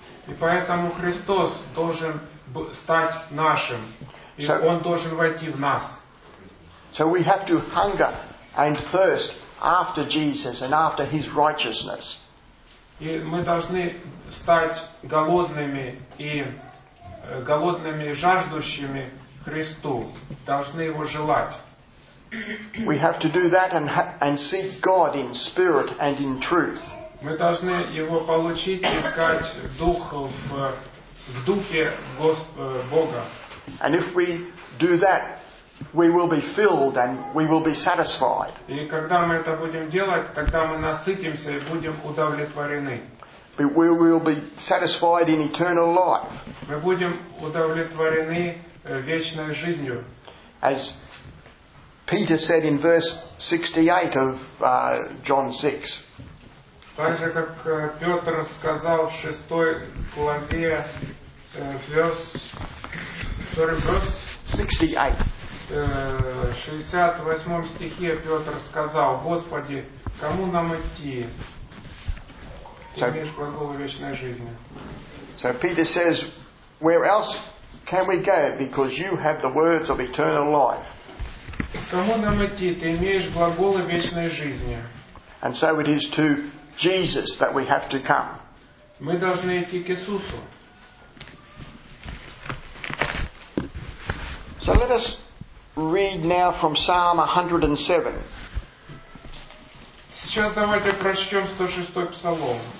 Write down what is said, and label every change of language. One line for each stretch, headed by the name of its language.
Russian: И поэтому Христос должен стать нашим. So, и Он должен войти в нас.
English: So we have to hunger and thirst after Jesus and after His righteousness.
Russian: И мы должны стать голодными и голодными, жаждущими Христу. Должны Его желать.
English: We have to do that and seek God in spirit and in truth.
Russian: Мы должны Его получить, искать Дух в Духе Бога.
English: And if we do that, we will be filled and we will be satisfied.
Russian: И когда мы это будем делать, тогда мы насытимся и будем удовлетворены.
English: We will be satisfied in eternal life.
Russian: Мы будем удовлетворены вечной жизнью.
English: As Peter said in verse 68 of John 6.
Russian: Так же, как Петр сказал в 6 главе, В 68 стихе Петр сказал: Господи, кому нам идти?
English: So Peter says, where else can we go? Because you have the words of eternal life. And so it is to Jesus that we have to come.
Russian: Мы должны идти к Иисусу.
English: So let us read now from Psalm 107.
Russian: Сейчас давайте прочтем 106 псалом.